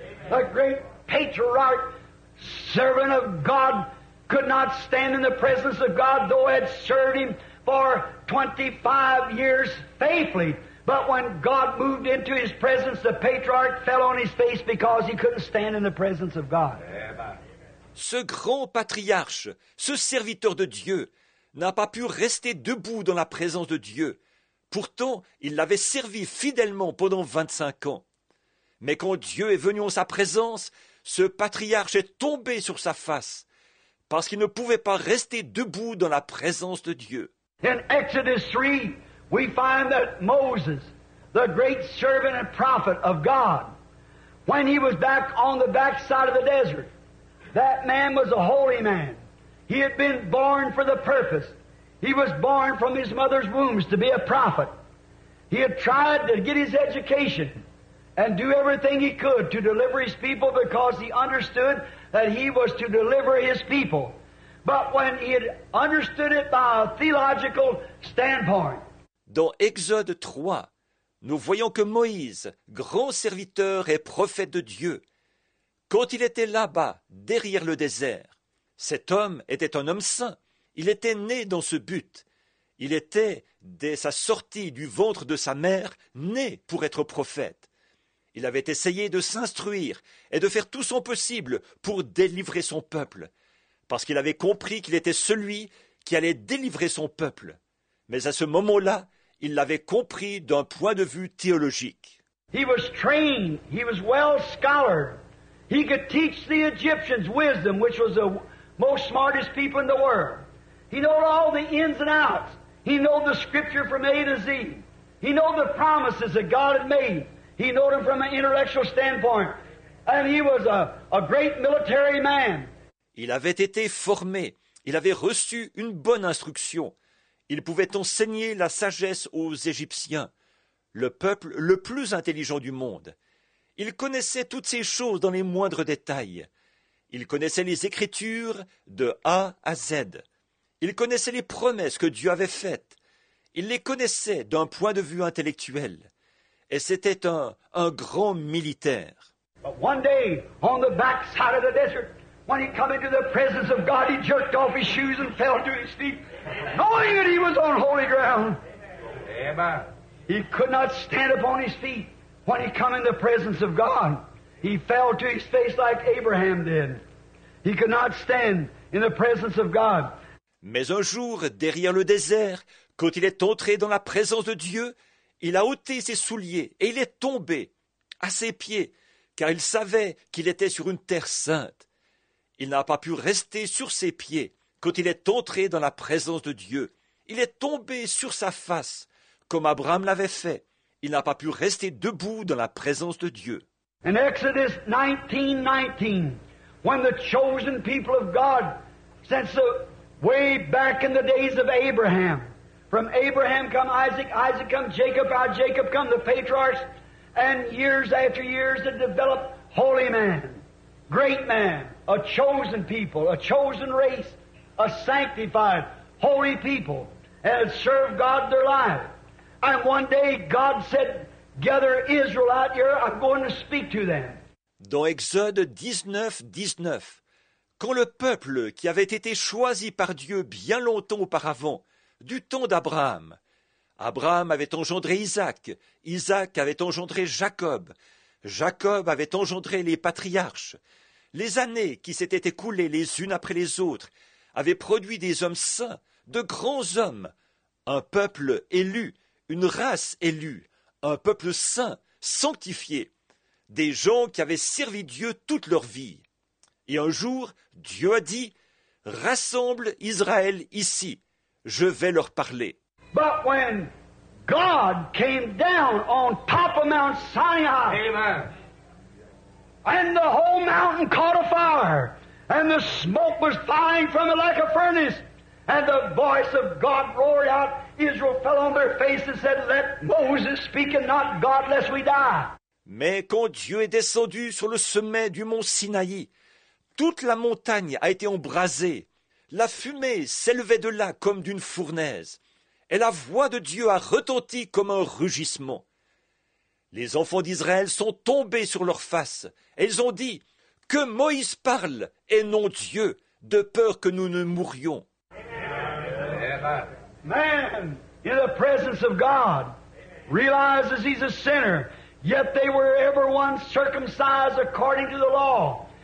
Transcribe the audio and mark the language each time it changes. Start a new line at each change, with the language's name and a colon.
English: A great patriarch, servant of God, could not stand in the presence of God, though he had served him for 25 years faithfully. But when God moved into his presence, the patriarch fell on his face because he couldn't stand in the presence of God.
French: Ce grand patriarche, ce serviteur de Dieu, n'a pas pu rester debout dans la présence de Dieu. Pourtant, il l'avait servi fidèlement pendant 25 ans. Mais quand Dieu est venu en sa présence, ce patriarche est tombé sur sa face parce qu'il ne pouvait pas rester debout dans la présence de Dieu.
English: In Exodus 3, we find that Moses, the great servant and prophet of God, when he was back on the backside of the desert, that man was a holy man. He had been born for the purpose. He was born from his mother's womb to be a prophet. He had tried to get his education and do everything he could to deliver his people because he understood that he was to deliver his people. But when he had understood it by a theological standpoint,
French: dans Exode 3, nous voyons que Moïse, grand serviteur et prophète de Dieu, quand il était là-bas, derrière le désert, cet homme était un homme saint. Il était né dans ce but. Il était, dès sa sortie du ventre de sa mère, né pour être prophète. Il avait essayé de s'instruire et de faire tout son possible pour délivrer son peuple, parce qu'il avait compris qu'il était celui qui allait délivrer son peuple. Mais à ce moment-là, il l'avait compris d'un point de vue théologique.
English: He was trained, he was well scholar. He could teach the Egyptians wisdom, which was the most smartest people in the world. He knew all the ins and outs. He knew the scripture from A to Z. He knew the promises that God had made. He knew them from an intellectual standpoint. And he was a great military man.
French: Il avait été formé. Il avait reçu une bonne instruction. Il pouvait enseigner la sagesse aux Égyptiens, le peuple le plus intelligent du monde. Il connaissait toutes ces choses dans les moindres détails. Il connaissait les Écritures de A à Z. Il connaissait les promesses que Dieu avait faites. Il les connaissait d'un point de vue intellectuel. Et c'était un grand militaire.
English: But one day, on the backside of the desert, when he came into the presence of God, he jerked off his shoes and fell to his feet, knowing that he was on holy ground. Amen. He could not stand upon his feet. When he came in the presence of God, he fell to his face like Abraham did. He could not stand in the presence of God.
French: Mais un jour, derrière le désert, quand il est entré dans la présence de Dieu, il a ôté ses souliers et il est tombé à ses pieds, car il savait qu'il était sur une terre sainte. Il n'a pas pu rester sur ses pieds quand il est entré dans la présence de Dieu. Il est tombé sur sa face, comme Abraham l'avait fait. Il n'a pas pu rester debout dans la présence de Dieu.
English: In Exodus 19:19, when the chosen people of God, since way back in the days of Abraham, from Abraham come Isaac, Isaac come Jacob, out of Jacob come the patriarchs, and years after years they developed holy man, great man, a chosen people, a chosen race, a sanctified, holy people, and had served God their life. And one day God said, gather Israel out here, I'm going to speak to them.
French: Dans Exode 19:19, quand le peuple qui avait été choisi par Dieu bien longtemps auparavant, du temps d'Abraham, Abraham avait engendré Isaac, Isaac avait engendré Jacob, Jacob avait engendré les patriarches, les années qui s'étaient écoulées les unes après les autres avaient produit des hommes saints, de grands hommes, un peuple élu, une race élue, un peuple saint, sanctifié, des gens qui avaient servi Dieu toute leur vie. Et un jour, Dieu a dit, « Rassemble Israël ici, je vais leur parler. »
English: But when God came down on top of Mount Sinai, amen, and the whole mountain caught a fire, and the smoke was flying from it like a furnace, and the voice of God roared out, Israel fell on their faces and said, let Moses speak and not God, lest we die.
French: Mais quand Dieu est descendu sur le sommet du mont Sinaï, toute la montagne a été embrasée. La fumée s'élevait de là comme d'une fournaise. Et la voix de Dieu a retenti comme un rugissement. Les enfants d'Israël sont tombés sur leur face. Et ils ont dit, que Moïse parle et non Dieu, de peur que nous ne mourions.
English: Man, in the presence of God, realizes he's a sinner, yet they were ever once circumcised according to the law.